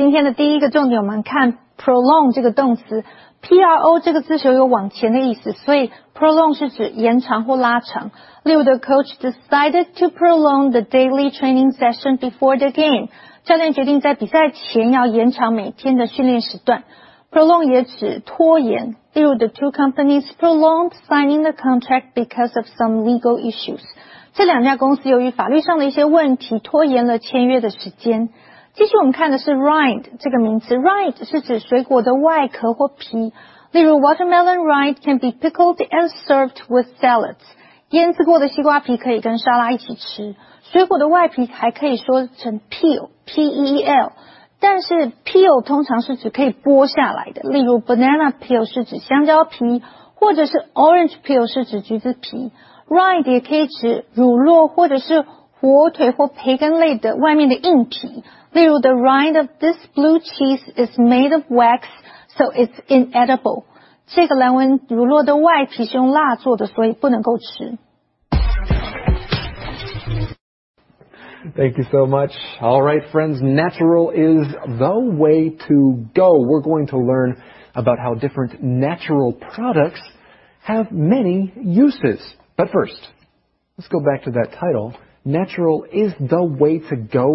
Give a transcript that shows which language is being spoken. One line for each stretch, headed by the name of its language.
Chinese: 今天的第一个重点我们看 prolong 这个动词。PRO 这个字首有往前的意思，所以 prolong 是指延长或拉长。例如
English: the coach decided to prolong the daily training session before the game.
Chinese: 教练决定在比赛前要延长每天的训练时段。 Prolong 也指拖延。例如
English: the two companies prolonged signing the contract because of some legal issues.
Chinese: 这两家公司由于法律上的一些问题拖延了签约的时间。继续我们看的是 rind 这个名词。rind 是指水果的外壳或皮。例如
English: watermelon rind can be pickled and served with salads.
Chinese: 腌制过的西瓜皮可以跟沙拉一起吃。水果的外皮还可以说成 peel, P-E-E-L。但是 peel 通常是指可以剥下来的。例如 banana peel 是指香蕉皮或者是 orange peel 是指橘子皮。 Rind 也可以指乳酪或者是火腿或培根类的外面的硬皮。例如
English: the rind of this blue cheese is made of wax, so it's inedible.
Chinese: 这个蓝纹乳酪的外皮是用蜡做的，所以不能够吃。
English: Thank you so much. All right, friends, natural is the way to go. We're going to learn about how different natural products have many uses. But first, let's go back to that title. Natural is the way to go.